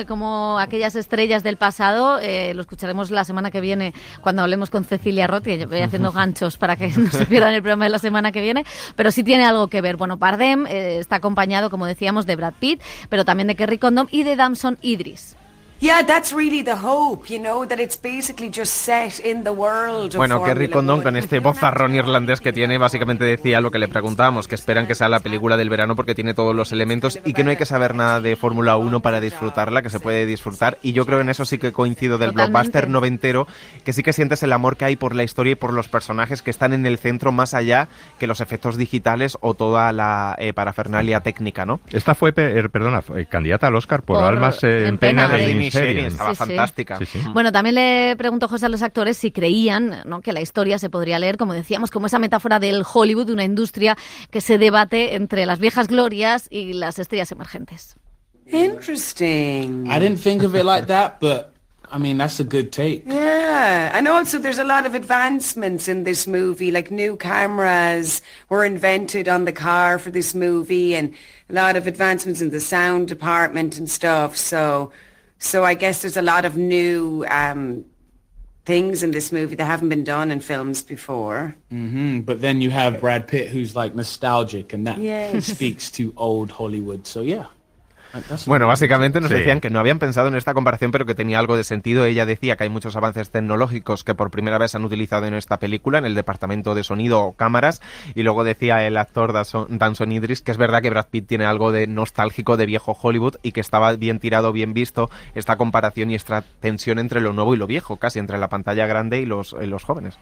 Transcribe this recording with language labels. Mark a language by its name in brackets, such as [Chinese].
[Spanish] Como aquellas estrellas del pasado, lo escucharemos la semana que viene cuando hablemos con Cecilia Roth, que yo voy haciendo ganchos para que no se pierdan el programa de la semana que viene, pero sí tiene algo que ver. Bueno, Bardem está acompañado, como decíamos, de Brad Pitt, pero también de Kerry Condon y de Damson Idris. [English] Yeah, that's really the hope, you know, that it's basically just set in the world. [Spanish] Bueno, Kerry Condon, con este bozarrón irlandés que tiene, básicamente decía lo que le preguntábamos, que esperan que sea la película del verano porque tiene todos los elementos y que no hay que saber nada de Fórmula 1 para disfrutarla, que se puede disfrutar. Y yo creo en eso sí que coincido del Totalmente. Blockbuster noventero, que sí que sientes el amor que hay por la historia y por los personajes que están en el centro, más allá que los efectos digitales o toda la parafernalia técnica, ¿no? Esta fue, perdona, candidata al Oscar por Almas en pena de Fantástica. Sí, sí. Bueno, también le preguntó José a los actores si creían, ¿no?, que la historia se podría leer, como decíamos, como esa metáfora del Hollywood, una industria que se debate entre las viejas glorias y las estrellas emergentes. [English] Interesting. I didn't think of it like that, but I mean, that's a good take. Yeah, and also there's a lot of advancements in this movie, like new cameras were invented on the car for this movie and a lot of advancements in the sound department and stuff. So I guess there's a lot of new things in this movie that haven't been done in films before. Mm-hmm. But then you have Brad Pitt, who's like nostalgic, and that speaks to old Hollywood. So, yeah. [Spanish] Bueno, básicamente nos decían que no habían pensado en esta comparación, pero que tenía algo de sentido. Ella decía que hay muchos avances tecnológicos que por primera vez se han utilizado en esta película, en el departamento de sonido o cámaras. Y luego decía el actor Danson Idris que es verdad que Brad Pitt tiene algo de nostálgico de viejo Hollywood y que estaba bien tirado, bien visto esta comparación y esta tensión entre lo nuevo y lo viejo, casi entre la pantalla grande y los jóvenes.